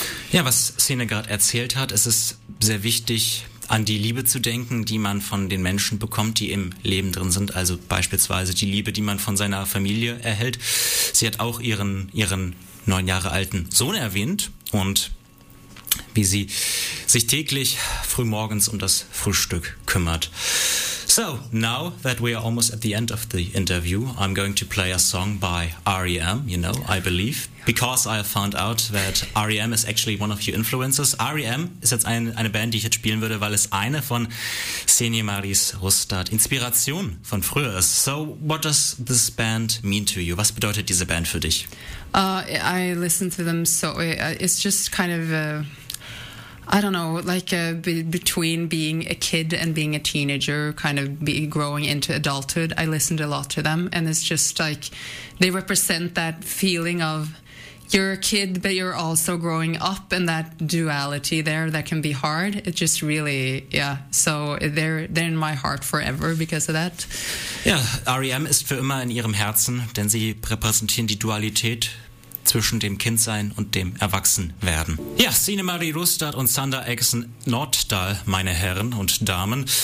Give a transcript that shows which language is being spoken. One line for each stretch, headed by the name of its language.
German: Ja, was Sine gerade erzählt hat, es ist sehr wichtig, an die Liebe zu denken, die man von den Menschen bekommt, die im Leben drin sind. Also beispielsweise die Liebe, die man von seiner Familie erhält. Sie hat auch ihren 9 Jahre alten Sohn erwähnt und wie sie sich täglich frühmorgens um das Frühstück kümmert.
English: So, now that we are almost at the end of the interview, I'm going to play a song by R.E.M., you know, I believe, because I found out that R.E.M. is actually one of your influences. R.E.M.
German: ist jetzt eine Band, die ich jetzt spielen würde, weil es eine von Xenia Maris Rustad Inspiration von früher ist.
English: So, what does this band mean to you?
German: Was bedeutet diese Band für dich?
English: I listen to them so, it's just kind of I don't know, like between being a kid and being a teenager, kind of growing into adulthood, I listened a lot to them. And it's just like they represent that feeling of you're a kid, but you're also growing up, and that duality there that can be hard. It just really, yeah. So they're in my heart forever because of that. Yeah, R.E.M.
German: ist für immer in ihrem Herzen, denn sie repräsentieren die Dualität zwischen dem Kindsein und dem Erwachsenwerden. Ja, Sine Marie Rustad und Sander Eggsen Norddahl, meine Herren und Damen.